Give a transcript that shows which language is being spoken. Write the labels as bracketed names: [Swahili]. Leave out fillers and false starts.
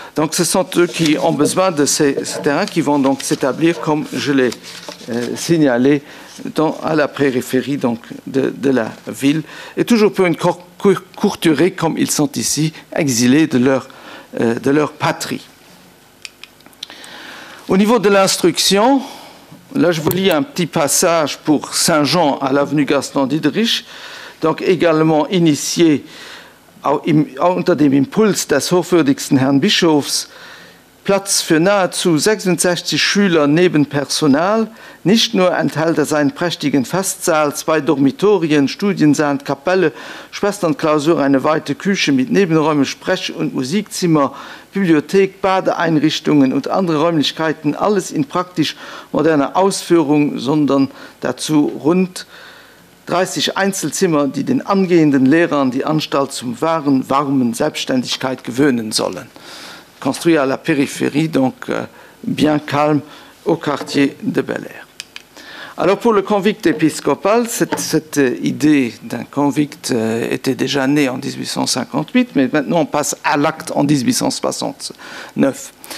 [French] Donc ce sont eux qui ont besoin de ces terrains, qui vont donc s'établir, comme je l'ai signalé, à la périphérie donc, de la ville, et toujours pour une courte durée, comme ils sont ici, exilés de leur patrie. Au niveau de l'instruction, là je vous lis un petit passage pour Saint-Jean à l'avenue Gaston-Diederich, donc également initié [German] unter dem Impuls des hochwürdigsten Herrn Bischofs, Platz für nahezu 66 Schüler neben Personal, nicht nur enthält er seinen prächtigen Festsaal, zwei Dormitorien, Studiensaal, Kapelle, Schwesternklausur, eine weite Küche mit Nebenräumen, Sprech- und Musikzimmer, Bibliothek, Badeeinrichtungen und andere Räumlichkeiten, alles in praktisch moderner Ausführung, sondern dazu rund 30 Einzelzimmer, die den angehenden Lehrern die Anstalt zum wahren, warmen Selbstständigkeit gewöhnen sollen. [French] Construit à la périphérie, donc bien calme, au quartier de Bel Air. Alors pour le convict épiscopal, cette idée d'un convict était déjà née en 1858, mais maintenant on passe à l'acte en 1869.